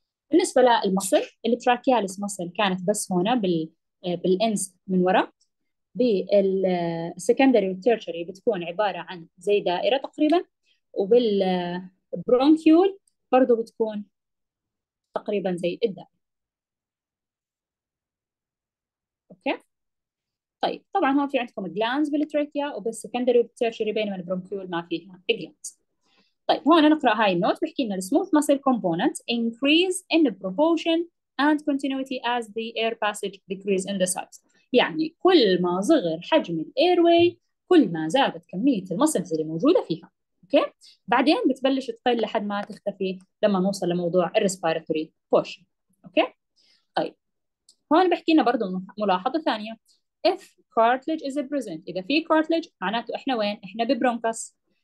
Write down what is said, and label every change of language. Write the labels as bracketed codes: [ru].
[ar] بالنسبه للمصل، التراكيالس مصل كانت بس هون بالانز من ورا، بالسكندري والتيرشري بتكون عباره عن زي دائره تقريبا، وبالبرونكيول برضه بتكون تقريبا زي الدائره. طيب طبعا هون في عندكم جلانز بالتريكيا وبالسكندري والتيرشري، بينما البرونكيول ما فيها جلانز. طيب هون نقرا هاي النوت، بحكي لنا [en] السموث muscle component increase in proportion and continuity as the air passage decrease in the size. [ar] يعني كل ما صغر حجم الاير واي كل ما زادت كميه المسلز اللي موجوده فيها. اوكي، بعدين بتبلش تقل لحد ما تختفي لما نوصل لموضوع الريسبيراتوري بورشن. اوكي، طيب هون بحكي لنا برضه ملاحظه ثانيه، [en] if cartilage is present، [ar] اذا في cartilage معناته احنا وين؟ احنا ببرونكس.